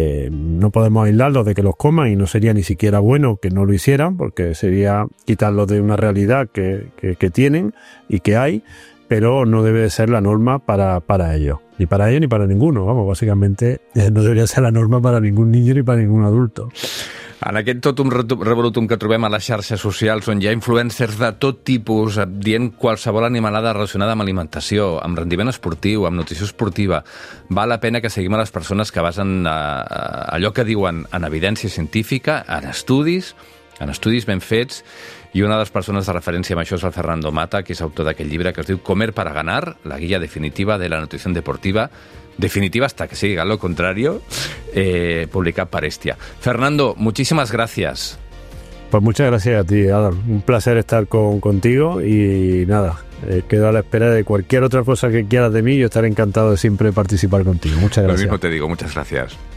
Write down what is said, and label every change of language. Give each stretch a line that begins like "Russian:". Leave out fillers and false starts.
Spanish: no podemos aislarlos de que los coman, y no sería ni siquiera bueno que no lo hicieran, porque sería quitarlos de una realidad que tienen y que hay, pero no debe de ser la norma para ellos, ni para ellos ni para ninguno, vamos, básicamente no debería ser la norma para ningún niño ni para ningún adulto.
Catalan: En aquest totum revolutum que trobem a les xarxes socials, on hi ha influencers de tot tipus dient qualsevol animalada relacionada amb alimentació, amb rendiment esportiu, amb nutrició esportiva, val la pena que seguim a les persones que basen allò que diuen en evidència científica, en estudis ben fets. I una de les persones de referència en això és el Fernando Mata, que és autor d'aquest llibre que es diu Comer para ganar, la guia definitiva de la nutrició deportiva,
Spanish: definitiva hasta que siga lo contrario,
Catalan: publicat per Estia.
Spanish: Fernando, muchísimas gracias. Pues muchas gracias a ti, Adam. Un placer estar contigo y nada, quedo a la espera de cualquier otra cosa que quieras de mí. Yo estaré encantado de siempre participar contigo. Muchas gracias. Lo mismo te digo, muchas gracias.